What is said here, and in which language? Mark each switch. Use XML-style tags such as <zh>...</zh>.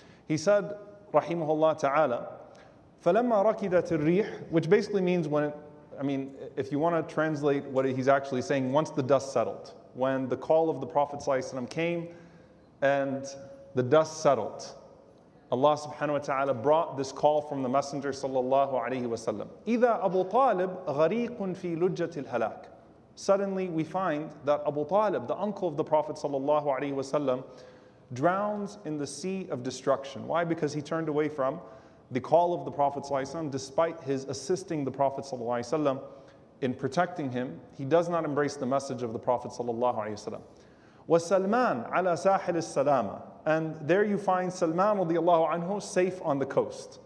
<en>He said,</en> <ar>رحمه الله تعالى, فلما ركدت الريح,</ar> <en>which basically means when, if you want to translate what he's actually saying, once the dust settled, when the call of the Prophet ﷺ came and the dust settled, Allah subhanahu wa ta'ala brought this call from the Messenger sallallahu alayhi wa sallam.</en> <ar>إذا أبو طالب غريق في لجة الهلاك.</ar> <en>Suddenly we find that Abu Talib, the uncle of the Prophet sallallahu alaihi wasallam, drowns in the sea of destruction. Why? Because he turned away from the call of the Prophet sallallahu alaihi wasallam, despite his assisting the Prophet sallallahu alaihi wasallam in protecting him. He does not embrace the message of the Prophet sallallahu alaihi wasallam.</en> <ar>Wa Salman ala sahil as-salama,</ar> <en>and there you find Salman radiyallahu anhu safe on the coast.</en>